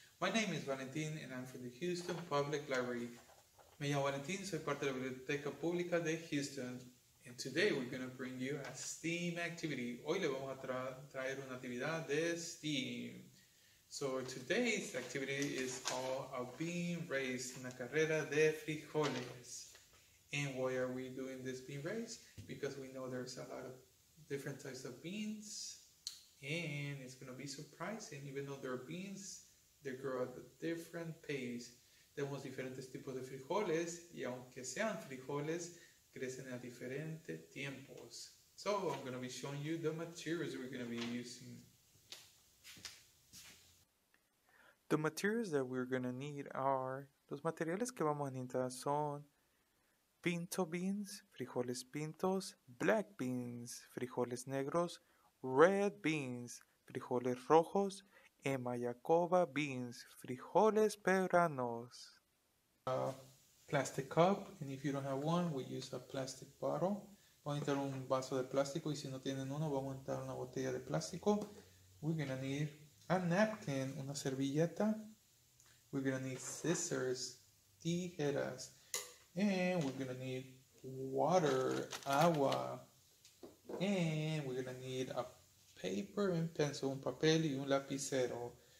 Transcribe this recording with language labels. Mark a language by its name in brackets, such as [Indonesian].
[English] My name is Valentin and I'm from the Houston Public Library. [Spanish] Me llamo Valentin, soy parte de la Biblioteca Pública de Houston. [English] And today we're going to bring you a STEAM activity. [Spanish] Hoy le vamos a traer una actividad de STEAM. [English] So today's activity is all of being raised in a [Spanish] carrera de frijoles. [English] And why are we doing this bean race? Because we know there's a lot of different types of beans. And it's going to be surprising, even though there are beans, they grow at a different pace. [Spanish] Tenemos diferentes tipos de frijoles, y aunque sean frijoles, crecen a diferentes tiempos. [English] So I'm going to be showing you the materials we're going to be using. The materials that we're going to need are, [Spanish] los materiales que vamos a necesitar son, [English] pinto beans, [Spanish] frijoles pintos, [English] black beans, [Spanish] frijoles negros, [English] red beans, [Spanish] frijoles rojos, [English] y mayacoba beans, [Spanish] frijoles peruanos. [English] A plastic cup, and if you don't have one, we use a plastic bottle. [Spanish] Vamos a necesitar un vaso de plástico, y si no tienen uno, vamos a necesitar una botella de plástico. [English] We're going to need a napkin, [Spanish] una servilleta. [English] We're going to need scissors, tijeras. And we're going to need water, agua. And we're going to need a paper and pencil, [Spanish] un papel y un lapicero.